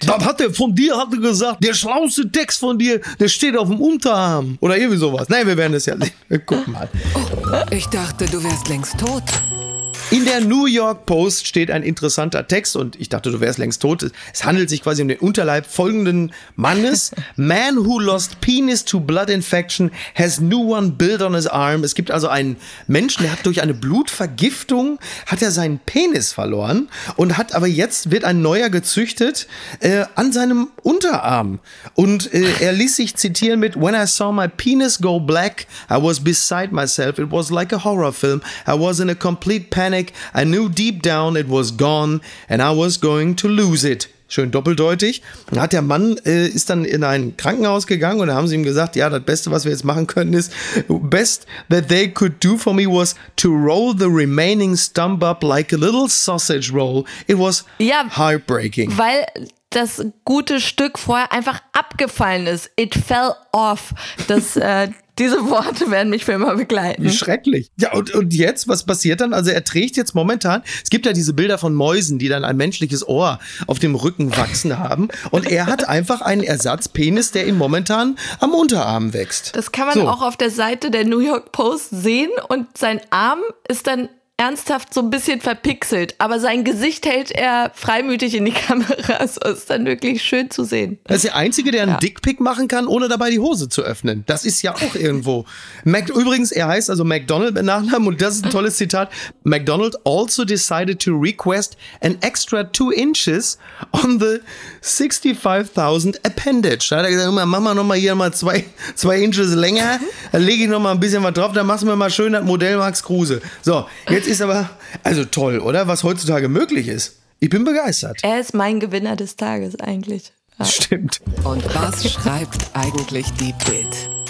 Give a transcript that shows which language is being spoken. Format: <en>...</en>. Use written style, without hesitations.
<de>Was hat er von dir, hat er gesagt, der schlauste Text von dir, der steht auf dem Unterarm. Oder irgendwie sowas. Nein, wir werden es ja sehen. Guck mal. Ich dachte, du wärst längst tot. In der New York Post steht ein interessanter Text und ich dachte, du wärst längst tot. Es handelt sich quasi um den Unterleib folgenden Mannes.</de> <en>Man who lost penis to blood infection has new one built on his arm.</en> <de>Es gibt also einen Menschen, der hat durch eine Blutvergiftung, hat er seinen Penis verloren und hat aber jetzt, wird ein neuer gezüchtet an seinem Unterarm. Und er ließ sich zitieren mit</de> <en>When I saw my penis go black, I was beside myself. It was like a horror film. I was in a complete panic. I knew deep down it was gone and I was going to lose it.</en> <de>Schön doppeldeutig. Dann hat der Mann, ist dann in ein Krankenhaus gegangen und da haben sie ihm gesagt, ja, das Beste, was wir jetzt machen können, ist,</de> <en>best that they could do for me was to roll the remaining stump up like a little sausage roll. It was ja, heartbreaking.</en> <de>Weil das gute Stück vorher einfach abgefallen ist.</de> <en>It fell off.</en> <de>Das diese Worte werden mich für immer begleiten. Schrecklich. Ja, und jetzt, was passiert dann? Also er trägt jetzt momentan, es gibt ja diese Bilder von Mäusen, die dann ein menschliches Ohr auf dem Rücken wachsen haben. Und er hat einfach einen Ersatzpenis, der ihm momentan am Unterarm wächst. Das kann man auch auf der Seite der New York Post sehen. Und sein Arm ist dann ernsthaft so ein bisschen verpixelt, aber sein Gesicht hält er freimütig in die Kamera, so ist dann wirklich schön zu sehen. Das ist der Einzige, der einen Dickpick machen kann, ohne dabei die Hose zu öffnen. Das ist ja auch irgendwo. Übrigens, er heißt also McDonald mit Nachnamen und das ist ein tolles Zitat.</de> <en>McDonald also decided to request an extra 2 inches on the 65,000 appendage.</en> <de>Da hat er gesagt, mach mal nochmal hier mal 2 inches länger, da lege ich nochmal ein bisschen was drauf, dann machen wir mal schön das Modell Max Kruse. So, jetzt ist aber, also toll, oder? Was heutzutage möglich ist. Ich bin begeistert. Er ist mein Gewinner des Tages eigentlich. Ja. Stimmt. Und was schreibt eigentlich die Bild?</de>